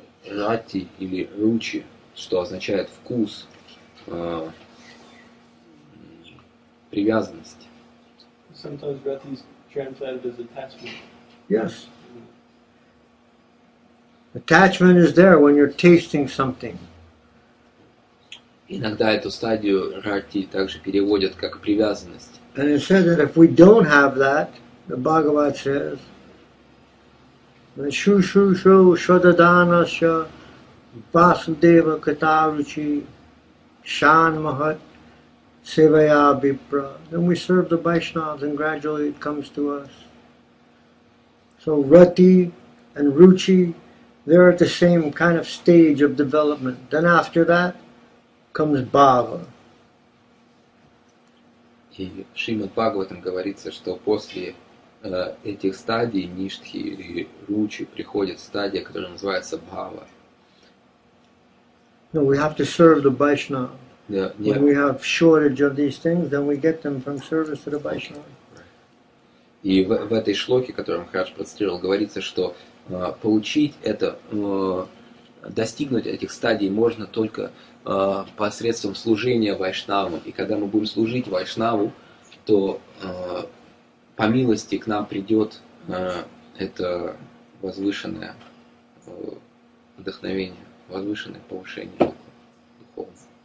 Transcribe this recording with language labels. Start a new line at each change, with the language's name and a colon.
Russian: рати или ручи, что означает вкус, привязанность.
English: Sometimes rati is translated as attachment. Yes. Attachment is there when you're tasting something.
Russian: Иногда эту стадию рати также переводят как привязанность.
English: And it says that if we don't have that, the Bhagavad says,
Sanskrit: Shushushu Shodadanasya Vasudeva Kataruchi Shan Mahat Sivaya Vipra.
English: Then we serve the Vaishnavas and gradually it comes to us. So Rati and Ruchi, they're at the same kind of stage of development. Then after that comes Bhava.
Russian: И в Шримад Бхагаватам говорится, что после этих стадий, ништхи и ручи, приходит стадия, которая называется бхава.
English: No, we have to serve the Vaishnava. When we have shortage of these things, then we get them from service to the Vaishnava. Okay.
Russian: И в этой шлоке, которую Махарадж процитировал, говорится, что получить это, достигнуть этих стадий можно только посредством служения Вайшнаву. И когда мы будем служить Вайшнаву, то по милости к нам придет это возвышенное вдохновение, возвышенное повышение духовное.